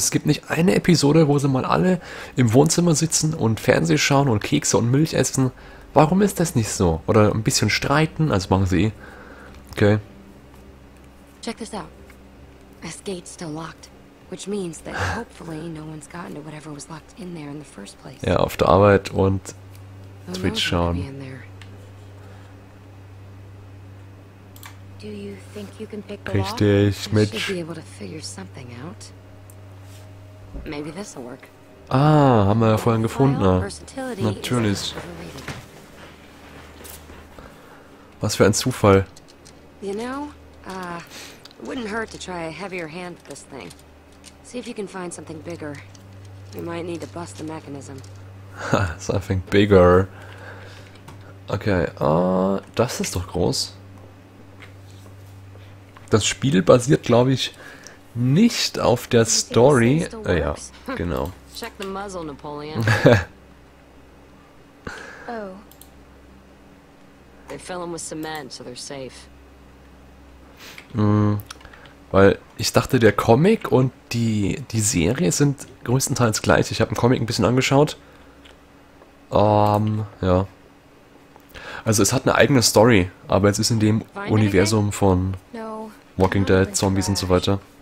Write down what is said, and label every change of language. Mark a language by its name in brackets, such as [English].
[German] Es gibt nicht eine Episode, wo sie mal alle im Wohnzimmer sitzen und Fernseh schauen und Kekse und Milch essen. Warum ist das nicht so? Oder ein bisschen streiten, also machen sie eh. Okay. [English] Check this out. This gate's still locked, which means that hopefully no one's gotten to whatever was locked in there in the first place. [German] Ja, auf der Arbeit und Twitch schauen. [English] Do you think you can pick [German] richtig, Mitch. [English] You should be able to figure something out. Maybe this will work. [German] Ah, haben wir ja vorhin gefunden. Na. Natürlich. Was für ein Zufall. [English] You know, it wouldn't hurt to try a heavier hand with this thing. See if you can find something bigger. You might need to bust the mechanism. Something bigger. [German] Okay, das ist doch groß. Das Spiel basiert, glaube ich, nicht auf der Story. Ja, genau. [English] Check the muzzle, Napoleon. Oh. They fill them with cement, so they're safe. [German] Weil ich dachte, der Comic und die Serie sind größtenteils gleich. Ich habe den Comic ein bisschen angeschaut. Ja. Also es hat eine eigene Story, aber es ist in dem Universum von Walking Dead, Zombies und so weiter.